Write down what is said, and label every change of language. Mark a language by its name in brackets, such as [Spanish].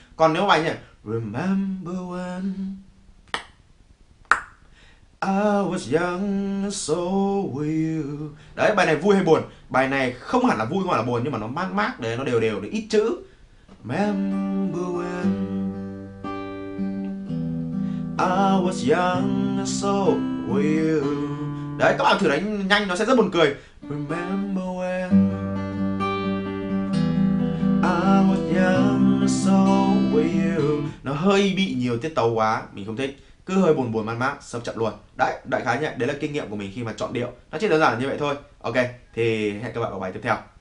[Vietnamese] Còn nếu mà bài nhỉ, [English] remember when I was young, so were you. [Vietnamese] Đấy, bài này vui hay buồn? Bài này không hẳn là vui, không hẳn là buồn, nhưng mà nó mát mát, đấy, nó đều đều, nó ít chữ. [English] Remember when I was young, so were you. [Vietnamese] Đấy, các bạn thử đánh nhanh, nó sẽ rất buồn cười. [English] Remember when I was young, so were you. [Vietnamese] Nó hơi bị nhiều tiết tấu quá, mình không thích. Cứ hơi buồn buồn man mác, sập chậm luôn. Đấy, đại khái nhé, đấy là kinh nghiệm của mình khi mà chọn điệu. Nó chỉ đơn giản là như vậy thôi. Ok, thì hẹn các bạn ở bài tiếp theo.